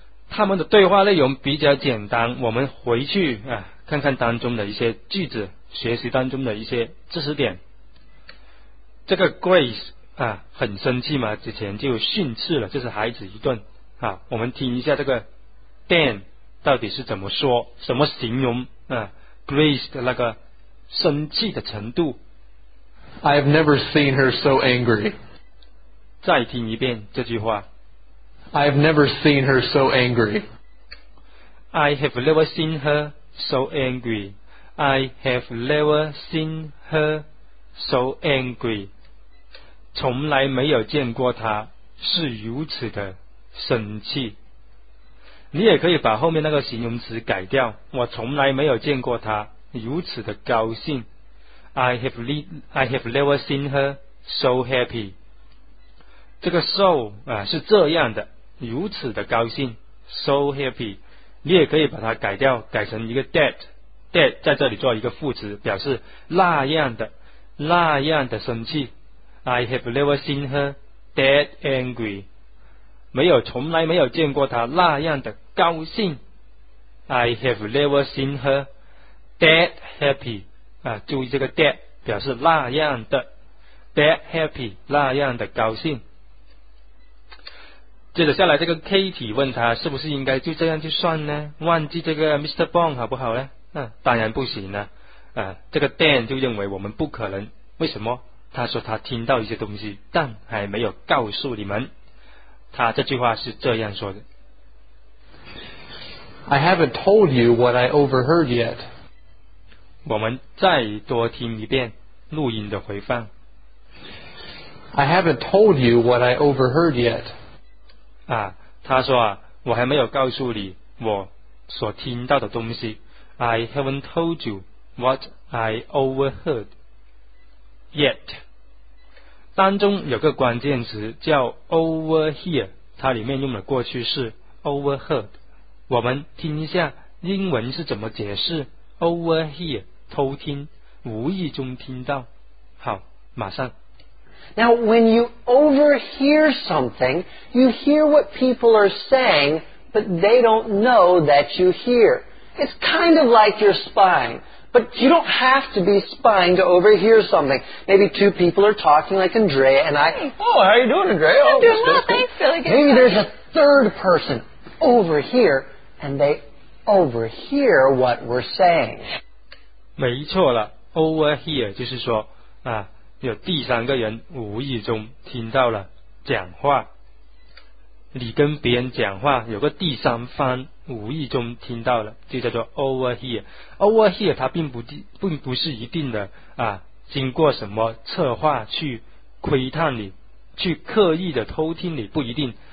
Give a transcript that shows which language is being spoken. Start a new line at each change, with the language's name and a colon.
Chinese: 他们的对话内容比较简单，我们回去啊看看当中的一些句子，学习当中的一些知识点。这个 Grace 啊很生气嘛，之前就训斥了这是孩子一顿。好，我们听一下这个 Dan 到底是怎么说，什么形容Grace 的那个生气的程度。
English: I have never seen her so angry.
Chinese: 再听一遍这句话。
English: I have never seen her so angry. I have never seen her so angry. I have never seen her so angry.
Chinese: 从来没有见过她是如此的生气。你也可以把后面那个形容词改掉，我从来没有见过他如此的高兴。
English: I have never seen her so happy.
Chinese: 这个 so 啊是这样的，如此的高兴
English: so happy。
Chinese: 你也可以把它改掉，改成一个 that 在这里做一个副词，表示那样的生气。
English: I have never seen her that angry.
Chinese: 没有，从来没有见过她那样的高兴。
English: I have never seen her that happy.
Chinese: 啊，注意这个 that 表示那样的
English: that happy
Chinese: 那样的高兴。接着下来，这个 Katie 问他是不是应该就这样去算呢？忘记这个 Mr. Bond 好不好呢？啊，当然不行了。啊，这个 Dan 就认为我们不可能，为什么？他说他听到一些东西，但还没有告诉你们。他这句话是这样说的
English: ：I haven't told you what I overheard yet。
Chinese: 我们再多听一遍录音的回放。
English: I haven't told you what I overheard yet。
Chinese: 啊，他说啊，我还没有告诉你我所听到的东西。
English: I haven't told you。 What I overheard yet
Chinese: 当中有个关键词叫 overhear， 它里面用的过去式 overheard。我们听一下英文是怎么解释 overhear， 偷听，无意中听到。好，马上。
English: Now when you overhear something, you hear what people are saying, but they don't know that you hear. It's kind of like you're spying. But you don't have to be spying to overhear something. Maybe two people are talking like Andrea and I. Oh, how are you doing, Andrea? I'm doing well, thanks. Maybe there's a third person over here, and they overhear what we're saying.
Chinese: 没错了 ,overhear 就是说、啊、有第三个人无意中听到了讲话。你跟别人讲话，有个第三方无意中听到了，就叫做 overhear。 overhear 它并不是一定的啊，经过什么策划去窥探你，去刻意的偷听你，不一定。